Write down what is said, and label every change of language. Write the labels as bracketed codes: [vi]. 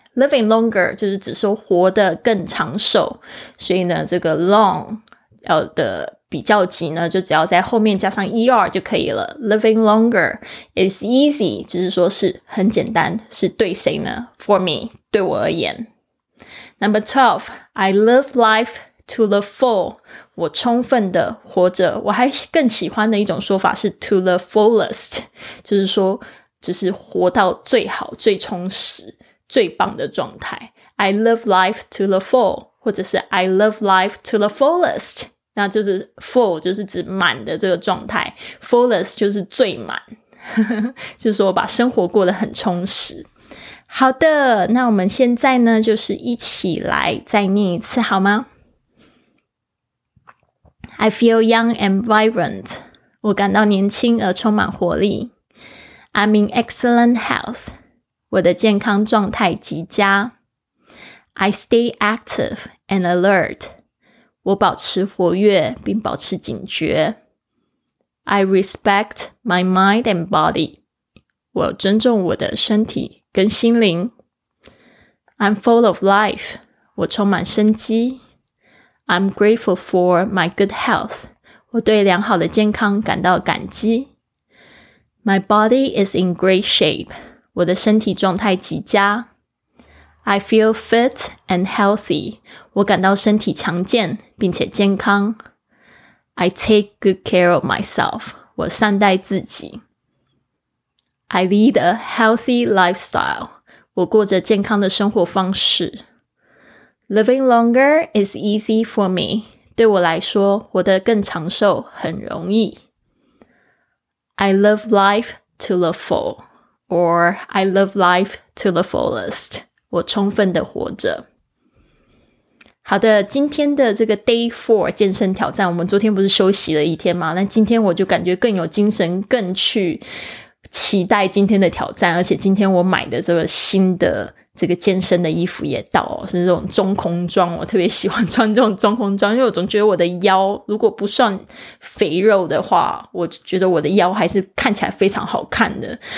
[en] living longer [zh] 就是指说活得更长寿，所以呢这个 long 的比较级呢，就只要在后面加上 er 就可以了。 [en] living longer is easy [zh] 就是说是很简单，是对谁呢？ [en] for me， [zh] 对我而言。 [en] Number 12， I live life to the full， [zh] 我充分的活着。我还更喜欢的一种说法是 [en] to the fullest， [zh] 就是说就是活到最好最充实最棒的状态。 [en] I live life to the full， [zh] 或者是 [en] I love life to the fullest， [zh] 那就是 full 就是指满的这个状态， fullest 就是最满，就是我把生活过得很充实。好的，那我们现在呢就是一起来再念一次好吗？ [en] I feel young and vibrant， [zh] 我感到年轻而充满活力。 [en] I'm in excellent health， [zh] 我的健康状态极佳。 [en] I stay active and alert， [zh] 我保持活跃并保持警觉。 [en] I respect my mind and body， [zh] 我尊重我的身体跟心灵。 [en] I'm full of life， [zh] 我充满生机。 [en] I'm grateful for my good health， [zh] 我对良好的健康感到感激。 [en] My body is in great shape， [zh] 我的身体状态极佳。 [en] I feel fit and healthy， [zh] 我感到身体强健并且健康。 [en] I take good care of myself， [zh] 我善待自己。 [en] I lead a healthy lifestyle， [zh] 我过着健康的生活方式。 [en] Living longer is easy for me， [zh] 对我来说活得更长寿很容易。 [en] I love life to the full， or I love life to the fullest， [zh] 我充分的活着。好的，今天的这个 Day 4健身挑战，我们昨天不是休息了一天吗？那今天我就感觉更有精神，更去期待今天的挑战。而且今天我买的这个新的这个健身的衣服也到，是这种中空装，我特别喜欢穿这种中空装，因为我总觉得我的腰如果不算肥肉的话，我觉得我的腰还是看起来非常好看的。